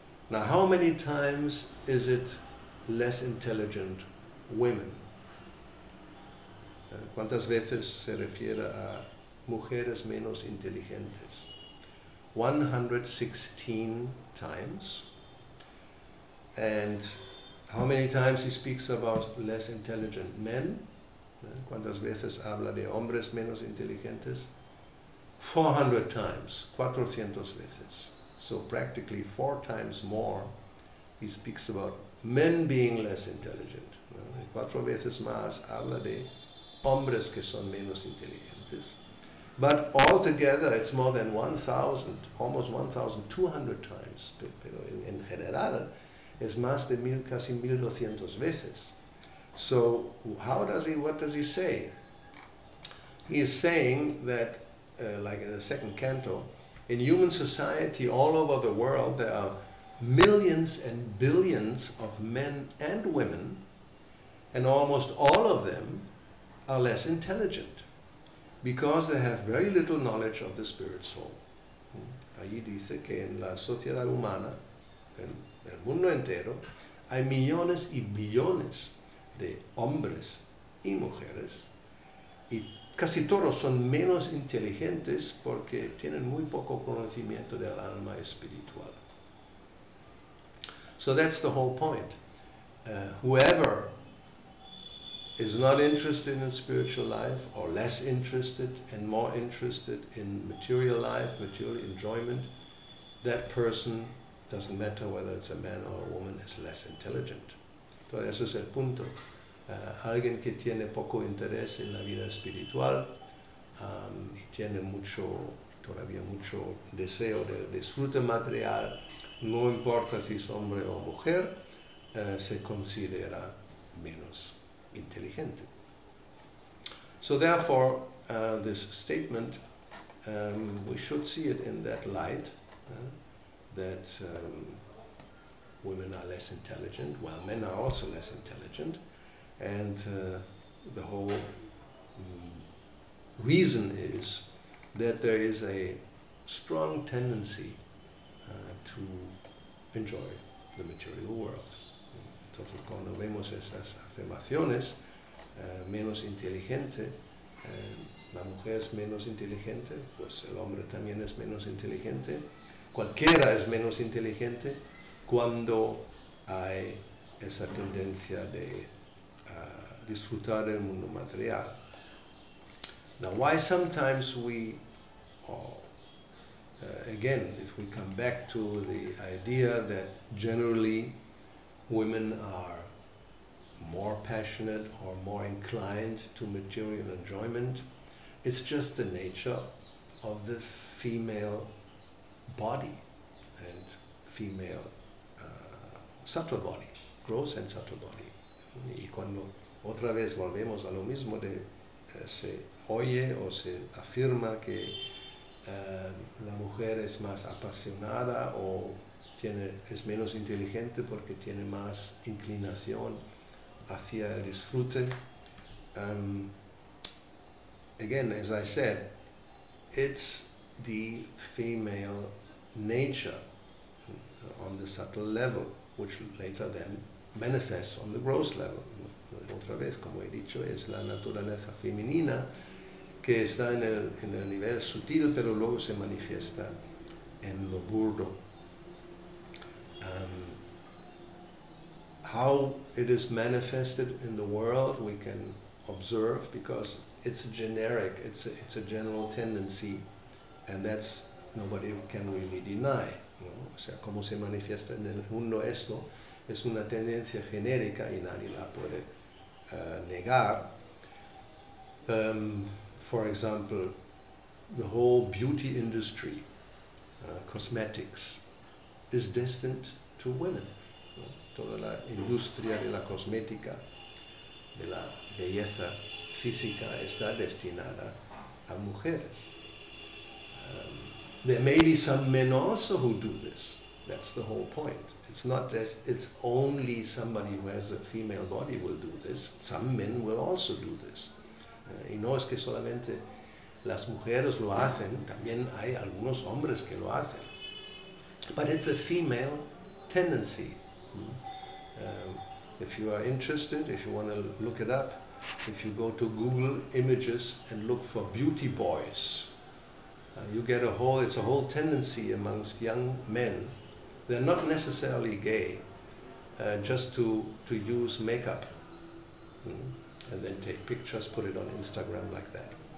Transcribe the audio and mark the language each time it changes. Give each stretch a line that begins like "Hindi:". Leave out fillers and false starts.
English: Now, how many times is it less intelligent women?
Spanish: ¿Cuántas veces se refiere a mujeres menos inteligentes?
English: 116 times. And how many times he speaks about less intelligent men?
Spanish: ¿Cuántas veces habla de hombres menos inteligentes?
English: 400 times,
Spanish: 400 veces.
English: So practically four times more he speaks about men being less intelligent.
Spanish: Cuatro veces más habla de hombres que son menos inteligentes.
English: But altogether it's more than 1,000, almost 1,200 times.
Spanish: Pero en general es más de mil, casi 1,200 veces.
English: So how does he, what does he say? He is saying that like in the second canto, in human society all over the world there are millions and billions of men and women, and almost all of them are less intelligent because they have very little knowledge of the spirit soul.
Spanish: Allí dice que en la sociedad humana, en el mundo entero, hay millones y billones de hombres y mujeres, y casi todos son menos inteligentes porque tienen muy poco conocimiento del alma espiritual.
English: So that's the whole point. Whoever is not interested in spiritual life, or less interested and more interested in material life, material enjoyment, that person, doesn't matter whether it's a man or a woman, is less intelligent.
Spanish: Entonces ese es el punto. Alguien que tiene poco interés en la vida espiritual y tiene mucho, todavía mucho deseo de disfrute material, no importa si es hombre o mujer, se considera menos inteligente.
English: So therefore, this statement, we should see it in that light, that women are less intelligent, while men are also less intelligent. And the whole reason is that there is a strong tendency to enjoy the material world.
Spanish: Entonces, cuando vemos esas afirmaciones, menos inteligente, la mujer es menos inteligente, pues el hombre también es menos inteligente, cualquiera es menos inteligente cuando hay esa tendencia de disfrutar del mundo material.
English: Now, why sometimes again, if we come back to the idea that generally women are more passionate or more inclined to material enjoyment, it's just the nature of the female body and female subtle body, gross and subtle body.
Spanish: Y cuando otra vez volvemos a lo mismo de se oye o se afirma que la mujer es más apasionada o es menos inteligente porque tiene más inclinación hacia el disfrute.
English: Again, as I said, it's the female nature on the subtle level, which later then manifests on the gross level.
Spanish: Otra vez, como he dicho, es la naturaleza femenina que está en el nivel sutil, pero luego se manifiesta en lo burdo.
English: How it is manifested in the world, we can observe, because it's generic, it's a general tendency, and that's nobody can really deny.
Spanish: ¿No? O sea, cómo se manifiesta en el mundo esto, es una tendencia genérica y nadie la puede negar.
English: For example, the whole beauty industry, cosmetics, is destined to women.
Spanish: ¿No? Toda la industria de la cosmética, de la belleza física, está destinada a mujeres.
English: There may be some men also who do this. That's the whole point. It's not that it's only somebody who has a female body will do this. Some men will also do this.
Spanish: Y no es que solamente las mujeres lo hacen, también hay algunos hombres que lo hacen.
English: But it's a female tendency. If you are interested, if you want to look it up, if you go to Google Images and look for beauty boys, you get a whole tendency amongst young men. They're not necessarily gay, just to use makeup and then take pictures, put it on Instagram like that.